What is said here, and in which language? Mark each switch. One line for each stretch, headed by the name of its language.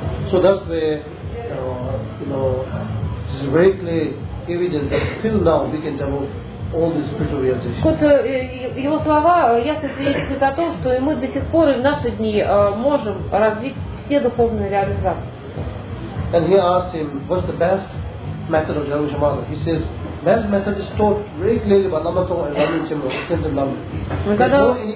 English: So that's the It's greatly evident that still now we can develop all these spiritual realizations.
Russian: Вот его слова ясно свидетельствуют о том, что и мы до сих пор и в наши дни можем развить все духовные реализации.
English: And he asked him, what's the best method of developing shamatha? He says, best method is taught very clearly by Lama Tsong and Lama Tsong and Lama Tsong.